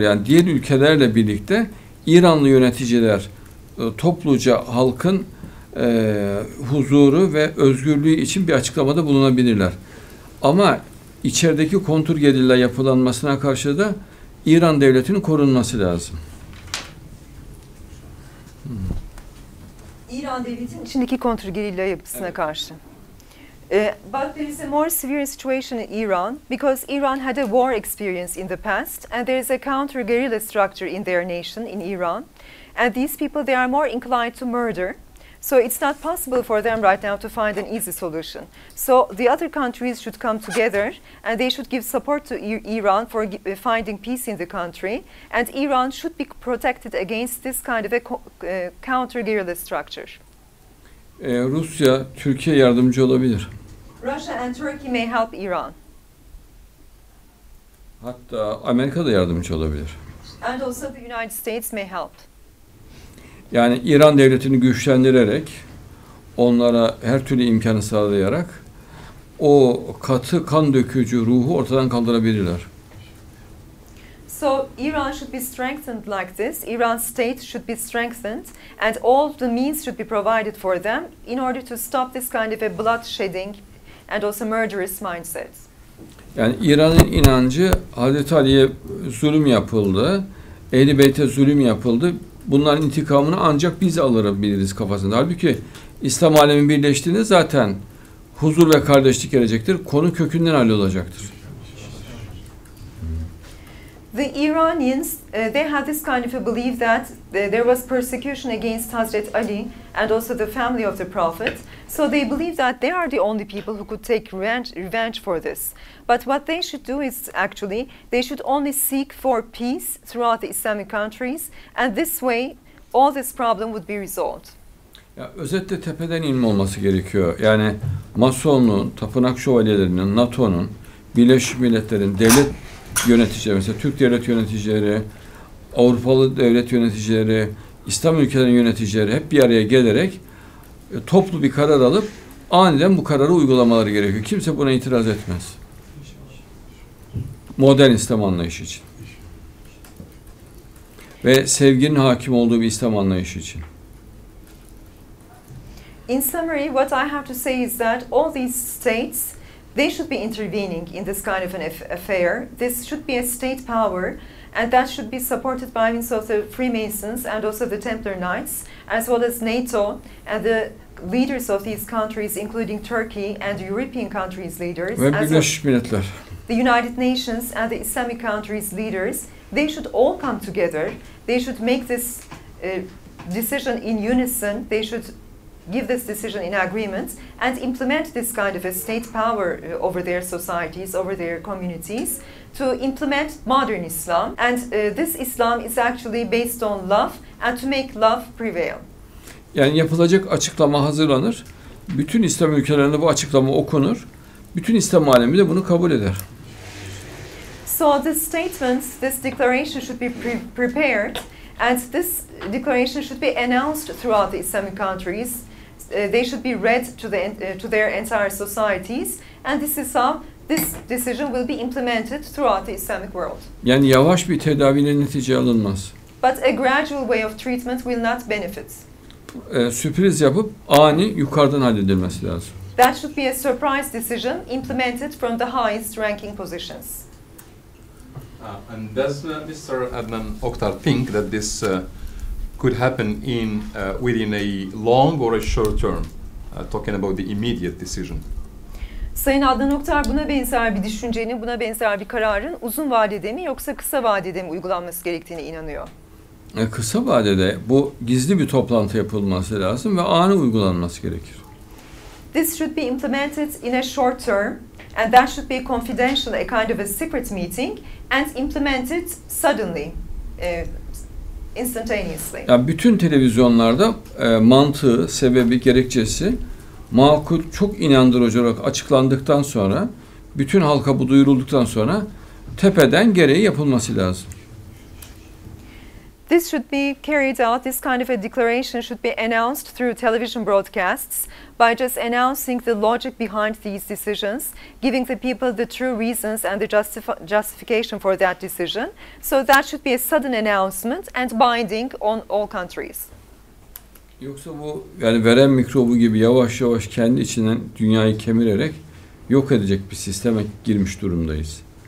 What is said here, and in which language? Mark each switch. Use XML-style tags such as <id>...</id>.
<tr>Yani diğer ülkelerle birlikte İranlı yöneticiler topluca halkın huzuru ve özgürlüğü için bir açıklamada bulunabilirler. Ama içerideki kontur gerilla yapılanmasına karşı da İran devletinin korunması lazım. İran devletinin içindeki kontur gerilla yapısına karşı.</tr> <en>But there is a more severe situation in Iran because Iran had a war experience in the past and there is a counter-guerrilla structure in their nation, in Iran. And these people, they are more inclined to murder. So it's not possible for them right now to find an easy solution. So the other countries should come together and they should give support to Iran for finding peace in the country. And Iran should be protected against this kind of a counter-guerrilla structure.</en> <tr>Rusya, Türkiye yardımcı olabilir.</tr> <en>Russia and Turkey may help Iran.</en> <tr>Hatta Amerika da yardımcı olabilir.</tr> <en>And also the United States may help.</en> <tr>Yani İran devletini güçlendirerek, onlara her türlü imkanı sağlayarak, o katı kan dökücü ruhu ortadan kaldırabilirler.</tr> <en>So Iran should be strengthened like this. Iran's state should be strengthened and all the means should be provided for them in order to stop this kind of a bloodshedding and also murderous mindset.</en> <tr>Yani İran'ın inancı Hazreti Ali'ye zulüm yapıldı, Ehl-i Beyt'e zulüm yapıldı. Bunların intikamını ancak biz alabiliriz kafasında. Halbuki İslam alemi birleştiğinde zaten huzur ve kardeşlik gelecektir. Konu kökünden hallolacaktır.</tr> <en>The Iranians, they had this kind of a belief that there was persecution against Hazret Ali and also the family of the Prophet. So they believe that they are the only people who could take revenge for this. But what they should do is actually, they should only seek for peace throughout the Islamic countries. And this way, all this problem would be resolved.</en> <tr>Ya, özetle tepeden inme olması gerekiyor. Yani Masonluğun, Tapınak Şövalyelerinin, NATO'nun, Birleşmiş Milletler'in, devlet yöneticileri, mesela Türk devlet yöneticileri, Avrupalı devlet yöneticileri, İslam ülkelerinin yöneticileri hep bir araya gelerek toplu bir karar alıp aniden bu kararı uygulamaları gerekiyor. Kimse buna itiraz etmez. Modern İslam anlayışı için. Ve sevginin hakim olduğu bir İslam anlayışı için.</tr> <en>In summary, what I have to say is that all these states, they should be intervening in this kind of an affair. This should be a state power, and that should be supported by means of the Freemasons and also the Templar Knights, as well as NATO and the leaders of these countries, including Turkey and European countries' leaders.</en> <tr>Ve Birleşmiş Milletler.</tr> <en>The United Nations and the Islamic countries' leaders, they should all come together. They should make this decision in unison. They should give this decision in agreement and implement this kind of a state power over their societies, over their communities, to implement modern Islam. And this Islam is actually based on love and to make love prevail.</en> <tr>Yani yapılacak açıklama hazırlanır. Bütün İslam ülkelerinde bu açıklama okunur. Bütün İslam alemi de bunu kabul eder.</tr> <en>So this statement, this declaration should be prepared and this declaration should be announced throughout the Islamic countries. They should be read to their entire societies and this is how this decision will be implemented throughout the Islamic world.</en> <tr>Yani yavaş bir tedavinin netice alınmaz.</tr> <en>But a gradual way of treatment will not benefit.</en> <tr>Sürpriz yapıp ani yukarıdan halledilmesi lazım.</tr> <en>That should be a surprise decision implemented from the highest ranking positions. And does Mr. Adnan Oktar think that this could happen in within a long or a short term, talking about the immediate decision?</en> <tr>Sayın Adnan Oktar, buna benzer bir düşüncenin, buna benzer bir kararın uzun vadede mi yoksa kısa vadede mi uygulanması gerektiğine inanıyor? Kısa vadede bu gizli bir toplantı yapılması lazım ve ani uygulanması gerekir.</tr> <en>This should be implemented in a short term and that should be confidential, a kind of a secret meeting and implemented suddenly, instantaneously.</en> <tr>Yani bütün televizyonlarda mantığı, sebebi, gerekçesi makul, çok inandırıcı olarak açıklandıktan sonra, bütün halka bu duyurulduktan sonra tepeden gereği yapılması lazım.</tr> <en>This should be carried out, this kind of a declaration should be announced through television broadcasts by just announcing the logic behind these decisions, giving the people the true reasons and the justification for that decision. So that should be a sudden announcement and binding on all countries.</en> <tr>Yoksa bu yani veren mikrobu gibi yavaş yavaş kendi içinden dünyayı kemirerek yok edecek bir sisteme girmiş durumdayız.</tr>